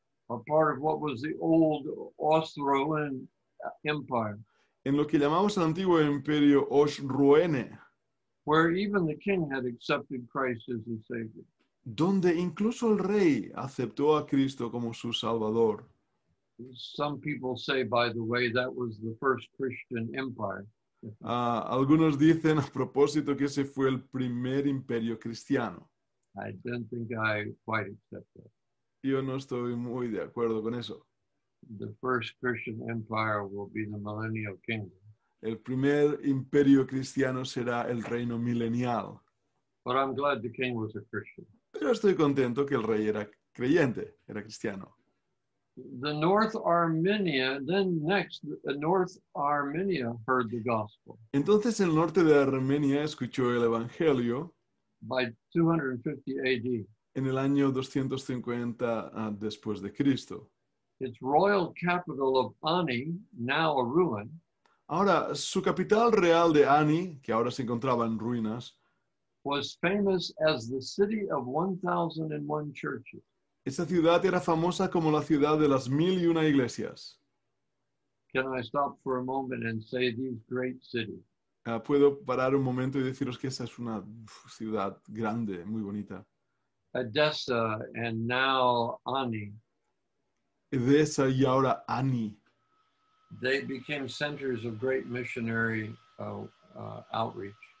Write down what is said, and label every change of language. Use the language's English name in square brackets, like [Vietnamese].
[English] A part of what was the old Osroen Empire. [Spanish] En lo que llamamos el antiguo imperio Osroene. [English] Where even the king had accepted Christ as his savior. [Spanish] Donde incluso el rey aceptó a Cristo como su salvador. [English] Some people say, by the way, that was the first Christian empire. [Spanish] Algunos dicen a propósito que ese fue el primer imperio cristiano. [English] I don't think I quite accept that. [Spanish] Yo no estoy muy de acuerdo con eso. [English] The first Christian empire will be the millennial kingdom. [Spanish] El primer imperio cristiano será el reino milenial. [English] But I'm glad the king was a Christian. [Spanish] Pero estoy contento que el rey era creyente, era cristiano. [English] The North Armenia, then next, the North Armenia heard the gospel. [Spanish] Entonces el norte de Armenia escuchó el evangelio. [English] By 250 AD. [Spanish] En el año 250 después de Cristo. [English] Its royal capital of Ani, now a ruin. [Spanish] Ahora, su capital real de Ani, que ahora se encontraba en ruinas, [English] was famous as the city of 1,001 churches. [Spanish] Esa ciudad era famosa como la ciudad de las 1,001 iglesias. [English] Can I stop for a moment and say these great cities? [Spanish] Puedo parar un momento y deciros que esa es una ciudad grande, muy bonita. [English] Edessa and now Ani. [Spanish] Edessa y ahora Ani. [English] They became centers of great missionary outreach.